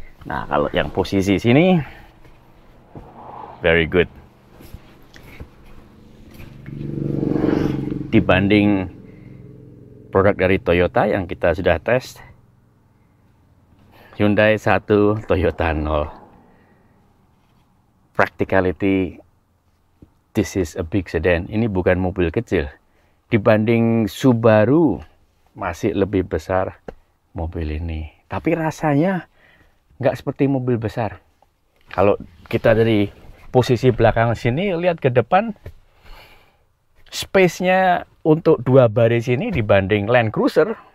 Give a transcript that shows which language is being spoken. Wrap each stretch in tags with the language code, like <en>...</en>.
<id>Nah, kalau yang posisi sini</id> <en>very good.</en> <id>Dibanding produk dari Toyota yang kita sudah test, Hyundai 1, Toyota 0.</id> <en>Practicality, this is a big sedan.</en> <id>Ini bukan mobil kecil. Dibanding Subaru, masih lebih besar mobil ini. Tapi rasanya nggak seperti mobil besar. Kalau kita dari posisi belakang sini, lihat ke depan, space-nya untuk dua baris ini dibanding Land Cruiser,</id>